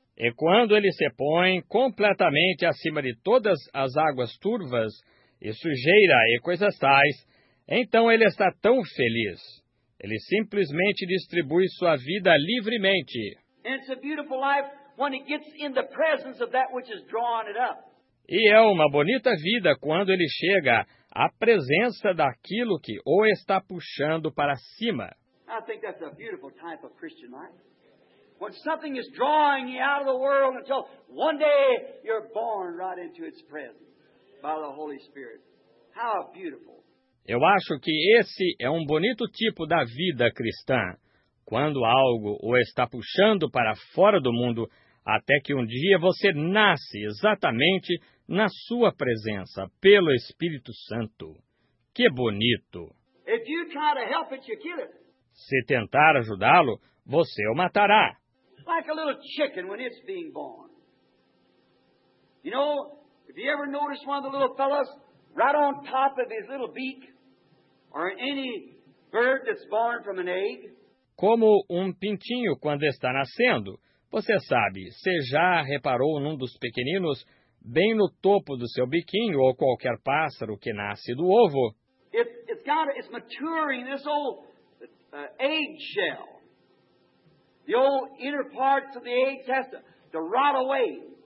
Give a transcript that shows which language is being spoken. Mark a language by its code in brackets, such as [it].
[pt] E quando ele se põe completamente acima de todas as águas turvas e sujeira e coisas tais, então ele está tão feliz. Ele simplesmente distribui sua vida livremente. [en] And it's a beautiful life when it gets in the presence of that which is drawing it up. [pt] E é uma bonita vida quando ele chega à presença daquilo que o está puxando para cima. [en] I think that's a beautiful type of Christian life. When something is drawing you out of the world until one day you're born right into its presence by the Holy Spirit. How beautiful. [pt] Eu acho que esse é um bonito tipo da vida cristã. Quando algo o está puxando para fora do mundo, até que um dia você nasce exatamente na sua presença, pelo Espírito Santo. Que bonito! [en] If you try to help it, you kill it. [pt] Se tentar ajudá-lo, você o matará. [en] Like a little chicken when it's being born. You know, if you ever notice one of the little fellows, right on top of his little beak, or any bird that's born from an egg, [pt] como um pintinho quando está nascendo. Você sabe, você já reparou num dos pequeninos bem no topo do seu biquinho ou qualquer pássaro que nasce do ovo? [en] It's maturing this old egg shell. The old inner parts of the egg has to rot away.